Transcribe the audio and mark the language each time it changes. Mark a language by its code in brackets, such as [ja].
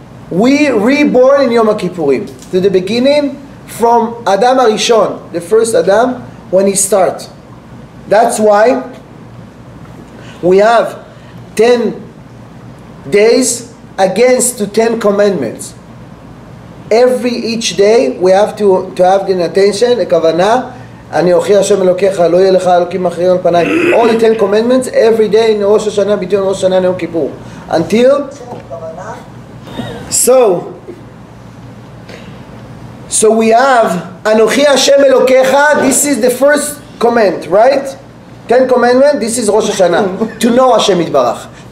[en] We reborn in Yom HaKippurim, to the beginning, from Adam HaRishon, the first Adam, when he starts. That's why we have 10 days against the 10 commandments. Each day we have to have the attention, the kavanah, [he] אני אוכיח השם אלוקיך, לא יהיה לך אלוקים אחרים על פניי. [en] All the Ten Commandments, every day in Rosh Hashanah, between Rosh Hashanah and Yom Kippur. Until... So we have, [he] אנוכי השם אלוקיך, [en] this is the first command, right? Ten Commandments, this is Rosh Hashanah. To know Hashem יתברך.